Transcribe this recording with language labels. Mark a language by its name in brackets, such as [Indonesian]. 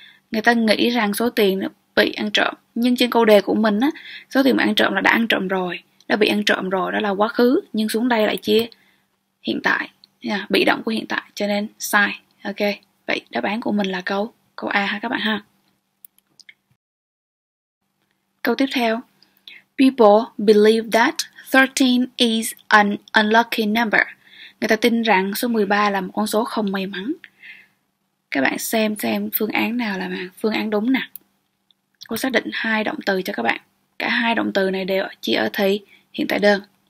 [Vietnamese] Người ta nghĩ rằng số tiền bị ăn trộm. Nhưng trên câu đề của mình, á, số tiền bị ăn trộm là đã ăn trộm rồi. Đã bị ăn trộm rồi, đó là quá khứ. Nhưng xuống đây lại chia hiện tại, bị động của hiện tại, cho nên sai. Ok, vậy đáp án của mình là câu A ha các bạn ha. Câu tiếp theo, [English] people believe that 13 is an unlucky number. [Vietnamese] Người ta tin rằng số 13 là một con số không may mắn. Các bạn xem phương án nào là phương án đúng nè. Cô xác định hai động từ cho các bạn. Cả hai động từ này đều chỉ ở thì hiện tại đơn.